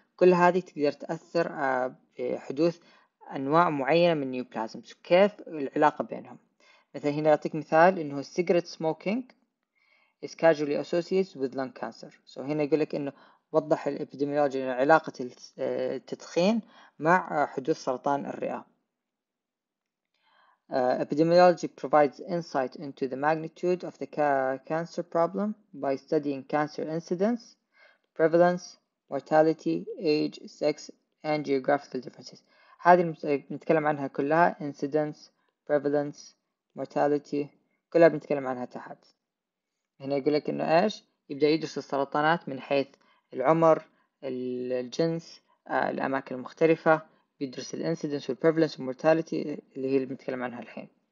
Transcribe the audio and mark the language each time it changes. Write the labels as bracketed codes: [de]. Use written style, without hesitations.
[ar] كل هذه تقدر تأثر بحدوث أنواع معينة من نيوبلازمز، كيف العلاقة بينهم. مثلا هنا أعطيك مثال، إنه [en] السيجرت smoking is casually associated with lung cancer. [ar] So هنا يقول لك إنه وضح الإبيديميولوجي علاقة التدخين مع حدوث سرطان الرئة. [en] Epidemiology provides insight into the magnitude of the cancer problem by studying cancer incidence, prevalence, mortality, age, sex, and geographical differences. [ar] هذه بنتكلم عنها كلها، incidence, prevalence, mortality، كلها بنتكلم عنها تحت. هنا يقول لك انه ايش، يبدأ يدرس السرطانات من حيث العمر، الجنس، الاماكن المختلفة، بيدرس الانسيدنس والبريفلنس والمورتاليتي اللي هي اللي بنتكلم عنها الحين.